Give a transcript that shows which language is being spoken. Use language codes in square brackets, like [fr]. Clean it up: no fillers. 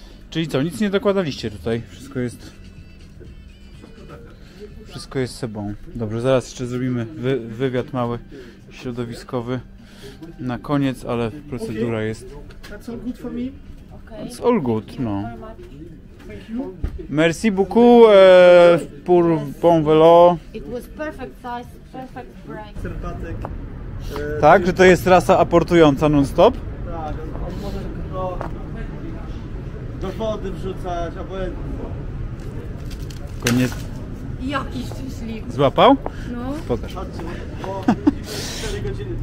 [pl] Czyli co, nic nie dokładaliście tutaj, wszystko jest sobą. Dobrze, zaraz jeszcze zrobimy wywiad mały, środowiskowy na koniec, ale procedura jest... [en] That's all good for me? That's all good, no. [fr] Merci beaucoup pour bon vélo. [en] It was perfect size, perfect brake. [pl] Sympatyk. Tak, że to jest rasa aportująca non-stop? Tak, on może tylko do wody wrzucać, a obojętnie. Koniec. Jaki szczęśliwy. Złapał? No. Pokaż. Godziny.